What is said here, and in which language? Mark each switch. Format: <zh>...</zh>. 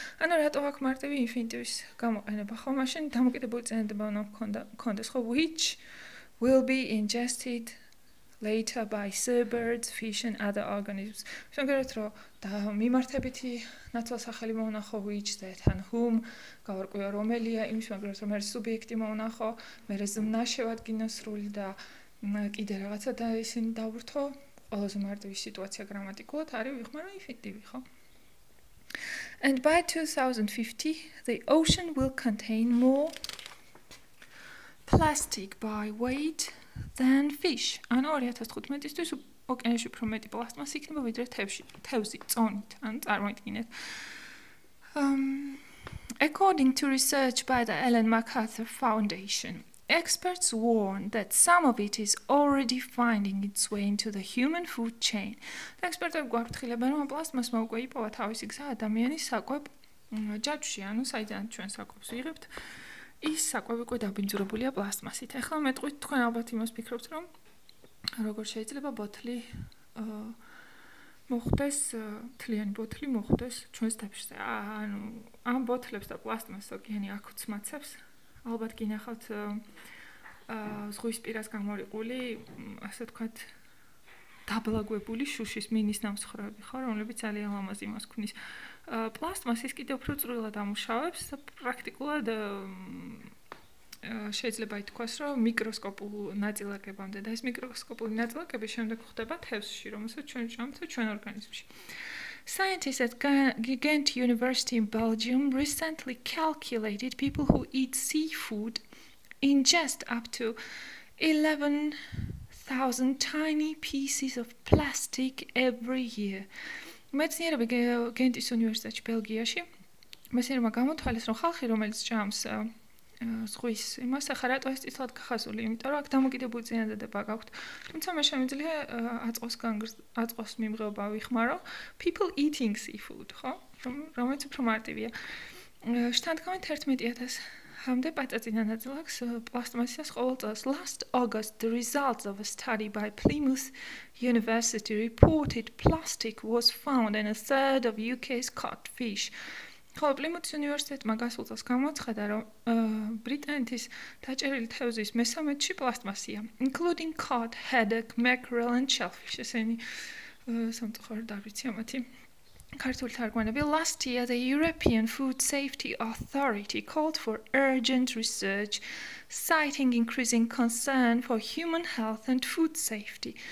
<ka>ანუ რატო აქ მარტივი ინფინიტივის გამოყენება? ხო, მაშინ დამოკიდებული წენება უნდა ქონდეს, ხო?</ka> <en>Which will be ingested later by seabirds, fish and other organisms.</en> <ka>შეგერეთ რომ და მიმართებითი ნაცვალსახელი მოვნახო which-ზე, თან whom გავარკვიო რომელია, იმის მაგრამ რომ ეს სუბიექტი მოვნახო, მე ზმნა შევადგინო სრული და კიდე რაღაცა და ისინი დავურთო, ყველაზე მარტივი სიტუაცია გრამატიკულად არის ვიხმარო ინფინიტივი, ხო?</ka> <en>And by 2050 the ocean will contain more plastic by weight then fish.</en> <ka>ანუ 2015-ისთვის ოკეანეში უფრო მეტი პლასტმასი იქნება ვიდრე თევზში, თევზი წონით, ანუ წარმოიდგინეთ.</ka> <en>According to research by the Ellen MacArthur Foundation, experts warn that some of it is already finding its way into the human food chain.</en> <ka>ექსპერტები გვაფრთხილებენ, რომ პლასტმასს მოუკვე იპოვა თავისი გზა ადამიანის საკვებ ჯაჭვში, ანუ საიდან ჩვენ საკვებს იღებთ. ის საკვები უკვე დაბინძურებულია პლასტმასით. ახლა მეტყვით, თქვენ ალბათ იმას ფიქრობთ, რომ როგორ შეიძლება ბოთლი მოხდეს, თლიანი ბოთლი მოხდეს ჩვენს თავში. ანუ ამ ბოთლებს და პლასტმასს ოკეანე აქ უცმაცებს. ალბათ გინახავთ ზღვის პირას გამორიყული, ასე ვთქვათ, დაბლაგვებული შუშის მინის ნამსხვრევები, ხო, რომლებიც ძალიან ლამაზი იმას ქნის. პლასტმასის კიდე უფრო წვრილად ამუშავებს, პრაქტიკულად შეიძლება ითქვას, რომ მიკროსკოპულ ნაწილაკებამდე და ეს მიკროსკოპული ნაწილაკები შემდეგ ხვდება თევზში, რომელსაც ჩვენ ჭამთ ჩვენ ორგანიზმში.</ka> <en>Scientists at Ghent University in Belgium recently calculated people who eat seafood ingest up to 11,000 tiny pieces of plastic every year.</en> <ka>მეცნიერები გენტის უნივერსიტეტში ბელგიაში მეცნიერებმა გამოთვალეს, რომ ხალხი, რომელიც ჭამს ზღვის იმას, ახლა რატო ეს ცოტა გახაზული, იმიტომ რომ აქ დამოკიდებული წინადადება გაქვთ. თუმცა მე შემიძლია აწყოს მიმღება ვიხმარო</ka> <en>people eating seafood,</en> <ka>ხო? რომელიც უფრო მარტივია. შთან თქვენ 11,000 ამდე პატაცინა ნაწილაკს პლასტმასის ყოველ წელს.</ka> <en>Last August, the results of a study by Plymouth University reported plastic was found in a third of UK's caught fish.</en> <ka>ხო, პლიმუთის უნივერსიტეტმა გასულ წელს გამოაცხადა, რომ ბრიტანეთის დაჭერილი თევზის მესამედში პლასტმასია.</ka> <en>Including cod, haddock, mackerel and shellfish.</en> <ka>ესენი სამწუხარო დაბრიცია მათი. ქართული თარგმანები.</ka> <en>Last year the European Food Safety Authority called for urgent research citing increasing concern for human health and food safety.</en>